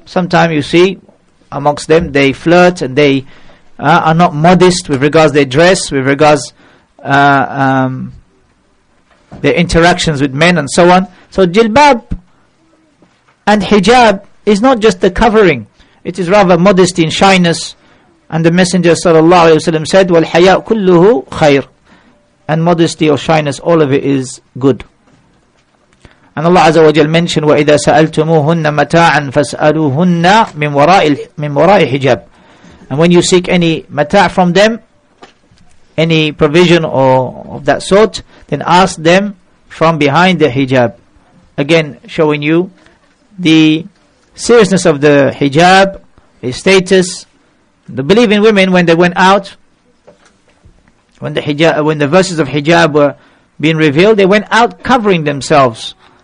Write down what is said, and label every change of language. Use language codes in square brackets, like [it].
[en] Sometimes you see amongst them, they flirt and they are not modest with regards to their dress, with regards their interactions with men and so on. So jilbab and hijab is not just the covering. It is rather modesty and shyness. And the Messenger sallallahu alayhi wa sallam said, [ar] وَالْحَيَاء كُلُّهُ خَيْرٌ. [en] And modesty or shyness, all of it is good. And Allah Azza wa Jal mentioned, [ar] وَإِذَا سَأَلْتُمُوهُنَّ مَتَاعًا فَاسْأَلُوهُنَّ مِنْ وَرَاءِ حِجَاب. [en] And when you seek any mata' from them, any provision or of that sort, then ask them from behind the hijab. Again, showing you the seriousness of the hijab, the status. The believing women, when they went out, when the verses of hijab were being revealed, they went out covering themselves.